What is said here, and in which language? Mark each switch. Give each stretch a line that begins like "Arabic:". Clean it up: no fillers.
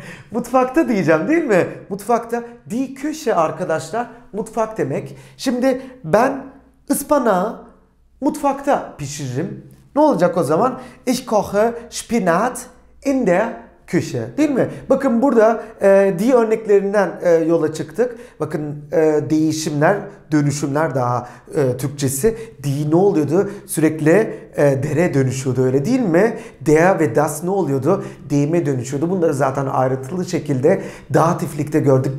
Turkish: mutfakta diyeceğim değil mi? Mutfakta. Die Küche arkadaşlar mutfak demek. Şimdi ben ıspanağı mutfakta pişiririm. Ne olacak o zaman?
German: Ich koche Spinat in der Küche.
Turkish: Değil mi? Bakın burada die örneklerinden yola çıktık. Bakın değişimler, dönüşümler daha Türkçesi. Die ne oluyordu? Sürekli dere dönüşüyordu öyle değil mi? Der ve das ne oluyordu? Deme dönüşüyordu. Bunları zaten ayrıntılı şekilde datiflikte gördük.